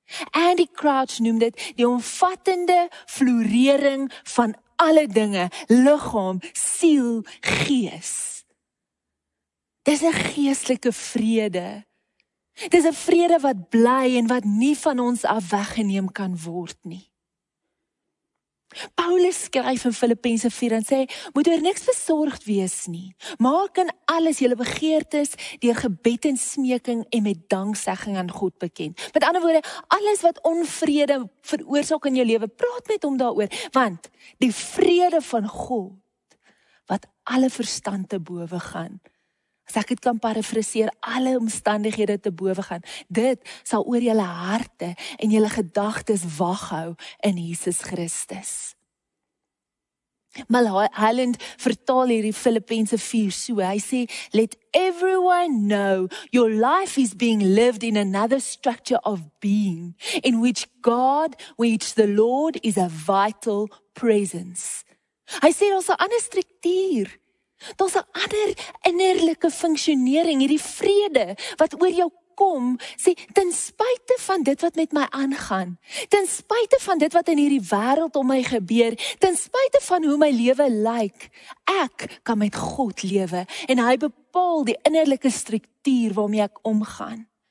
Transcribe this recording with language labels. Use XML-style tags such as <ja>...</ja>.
<af>Andy Crouch noem dit die omvattende florering van alle dinge, liggaam, siel, gees. Dis 'n geestelike vrede. Dis 'n vrede wat bly en wat nie van ons af weggeneem kan word nie. Paulus skryf in Filippense 4 en sê, moet oor niks besorgd wees nie. Maak in alles julle begeertes deur gebed en smeking en met danksegging aan God bekend. Met ander woorde, alles wat onvrede veroorsaak in jou lewe, praat met hom daaroor, want die vrede van God wat alle verstand te bowe gaan, as ek dit kan parafraseer, alle omstandighede te bowe gaan, dit sal oor julle harte en julle gedagtes wag hou in Jesus Christus. Malaland vertaal hierdie Filippense 4 so, hy sê,</af> <en>let everyone know your life is being lived in another structure of being in which God, which the Lord is a vital presence.</en> <af>Hy sê, ons 'n ander struktuur, daar's 'n ander innerlike funksionering, hierdie vrede wat oor jou kom, sê, ten spyte van dit wat met my aangaan, ten spyte van dit wat in hierdie wêreld om my gebeur, ten spyte van hoe my lewe lyk, ek kan met God lewe en hy bepaal die innerlike struktuur waarmee ek omgaan.</af>